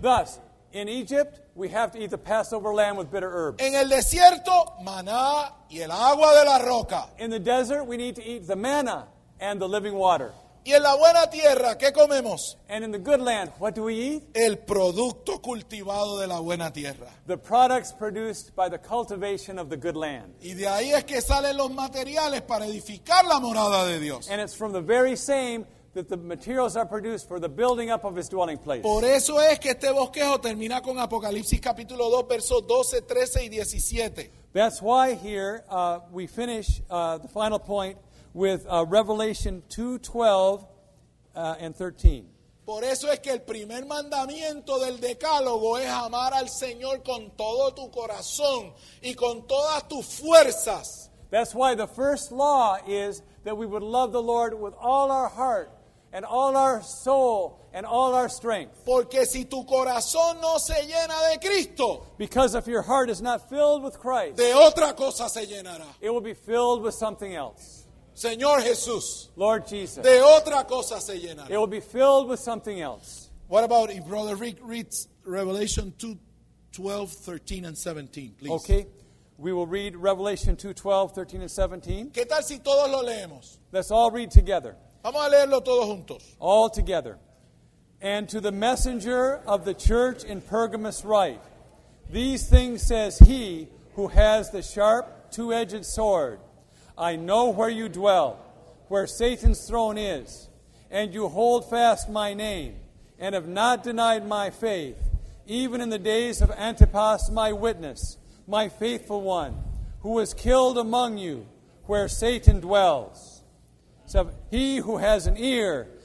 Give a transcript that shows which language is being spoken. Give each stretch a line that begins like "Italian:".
English: Thus, in Egypt, we have to eat the Passover lamb with bitter herbs.
Spanish: En el desierto, maná y el agua de la roca.
English: In the desert, we need to eat the manna and the living water.
Spanish: Y en la buena tierra, ¿qué comemos?
English: And in the good land, what do we eat?
Spanish: El producto cultivado de la buena tierra.
English: The products produced by the cultivation of the good land.
Spanish: Y de ahí es que salen los materiales para edificar la morada de Dios.
English: And it's from the very same that the materials are produced for the building up of his dwelling place.
Spanish: Por eso es que este bosquejo termina con Apocalipsis capítulo 2, versos 12, 13 y 17.
English: That's why here we finish the final point with Revelation 2, 12 and 13.
Spanish: Por eso es que el primer mandamiento del decálogo es amar al Señor con todo tu corazón y con todas tus fuerzas.
English: That's why the first law is that we would love the Lord with all our heart and all our soul and all our strength.
Spanish: Porque si tu corazón no se llena de Cristo,
English: because if your heart is not filled with Christ,
Spanish: de otra cosa se llenará.
English: It will be filled with something else.
Spanish: Señor Jesús,
English: Lord Jesus,
Spanish: de otra cosa se llenará.
English: It will be filled with something else. What about if Brother Rick reads Revelation 2, 12, 13, and 17, please? Okay. We will read Revelation 2, 12, 13, and 17.
Spanish: ¿Qué tal si todos lo leemos?
English: Let's all read together.
Spanish: Vamos a leerlo todos juntos.
English: All together. And to the messenger of the church in Pergamos write, these things says he who has the sharp two-edged sword. I know where you dwell, where Satan's throne is, and you hold fast my name, and have not denied my faith, even in the days of Antipas my witness, my faithful one, who was killed among you, where Satan dwells. So he who has an ear,